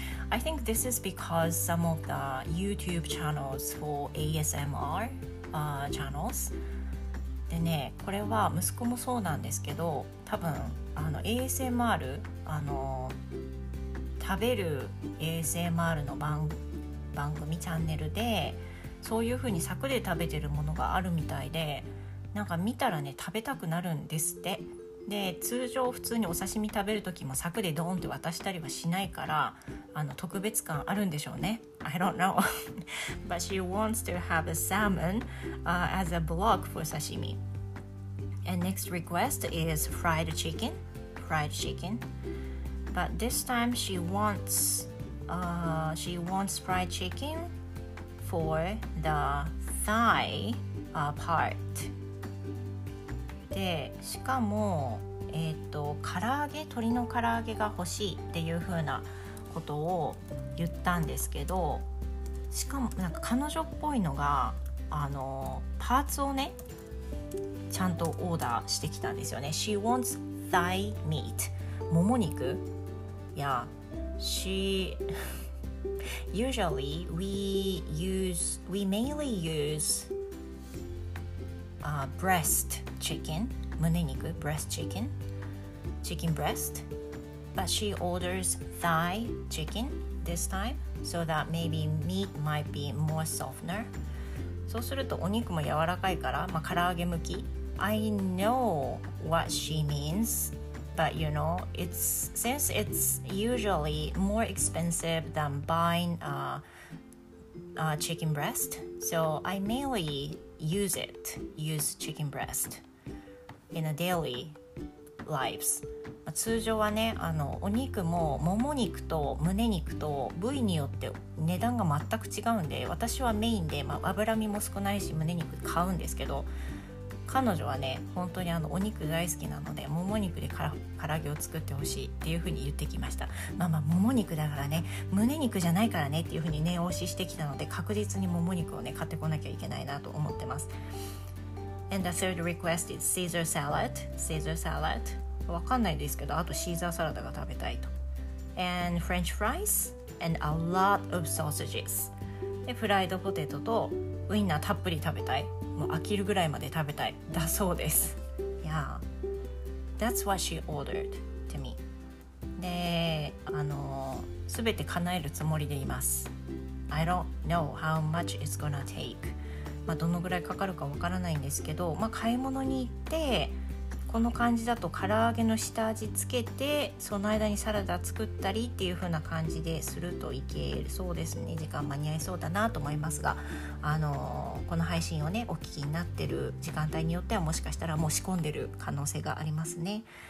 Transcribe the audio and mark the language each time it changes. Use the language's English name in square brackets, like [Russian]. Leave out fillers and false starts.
[English] I think this is because some of the YouTube channels for ASMR channels. [Japanese] でね、これは息子もそうなんですけど、多分ASMR 食べる ASMR の 番組チャンネルで、そういう風に柵で食べてるものがあるみたいで、なんか見たらね、食べたくなるんですって。で、通常普通にお刺身食べるときも柵でドーンって渡したりはしないから、特別感あるんでしょうね。 [English] I don't know. But she wants to have a salmon, as a block for sashimi. And next request is fried chicken. Fried chicken. But this time she wants fried chicken for the thigh, part. [Japanese] で、しかも、唐揚げ、鶏の唐揚げが欲しいっていう風なことを言ったんですけど、しかもなんか彼女っぽいのが、パーツをね、ちゃんとオーダーしてきたんですよね。 [English] She wants thigh meat. [Japanese] もも肉？ [English] Yeah. She... Usually, we mainly use... breast chicken, 胸肉, breast chicken, chicken breast. But she orders thigh chicken this time, so that maybe meat might be more softener. [Japanese] そうするとお肉も柔らかいから、まあ、唐揚げ向き。 [English] I know what she means, but you know, it's, since it's usually more expensive than buying chicken breast, so I mainly... Use chicken breast in a daily lives. [Japanese] 通常はね、お肉ももも肉と胸肉と部位によって値段が全く違うんで、私はメインで、まあ、脂身も少ないし胸肉買うんですけど、彼女はね、本当にお肉大好きなので、もも肉で唐揚げを作ってほしいっていうふうに言ってきました。まあまあ、もも肉だからね、胸肉じゃないからねっていうふうに念押ししてきたので、確実にもも肉をね、買ってこなきゃいけないなと思ってます。 [English] And the third request is Caesar salad. Caesar salad. [Japanese] わかんないですけど、あとシーザーサラダが食べたいと。 [English] And French fries and a lot of sausages. [Japanese] で、フライドポテトとウインナーたっぷり食べたい。もう飽きるぐらいまで食べたいだそうです。 [English] Yeah, that's what she ordered to me. [Japanese] で、すべて叶えるつもりでいます。 [English] I don't know how much it's gonna take. [Japanese] まあどのぐらいかかるかわからないんですけど、まあ買い物に行って、この感じだと唐揚げの下味つけて、その間にサラダ作ったりっていう風な感じですると行けそうですね。時間間に合いそうだなと思いますが、この配信をね、お聞きになってる時間帯によってはもしかしたらもう仕込んでる可能性がありますね。